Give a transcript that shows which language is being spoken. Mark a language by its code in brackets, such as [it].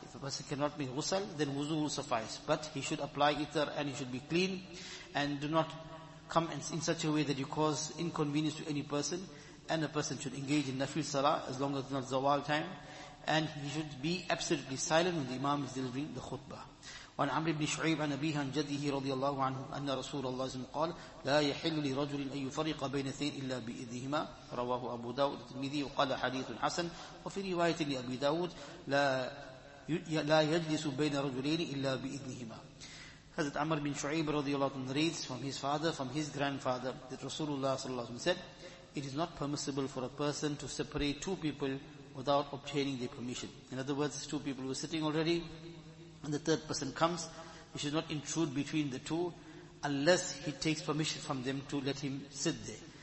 [en] A person cannot make ghusl, then wuzu will suffice. But he should apply itar and he should be clean, and do not come in such a way that you cause inconvenience to any person. And a person should engage in nafil salah as long as it's not zawal time. And he should be absolutely silent when the imam is delivering the khutbah. [ar] وعن عمرو بن شعيب عن أبيه عن جده رضي الله عنه أن رسول الله صلى الله عليه وسلم قال لا يحل لرجل أن يفرق بين اثنين إلا بإذنهما رواه أبو داود الترمذي وقال حديث حسن وفي رواية لأبي داود لا يجلس بين رجلين إلا بإذنهما. [en] Hazrat Amr bin Shu'ayb radiallahu anhu reads from his father, from his grandfather, that Rasulullah sallallahu alayhi wa sallam said, it is not permissible for a person to separate two people without obtaining their permission. In other words, two people were sitting already, and the third person comes, he should not intrude between the two, unless he takes permission from them to let him sit there.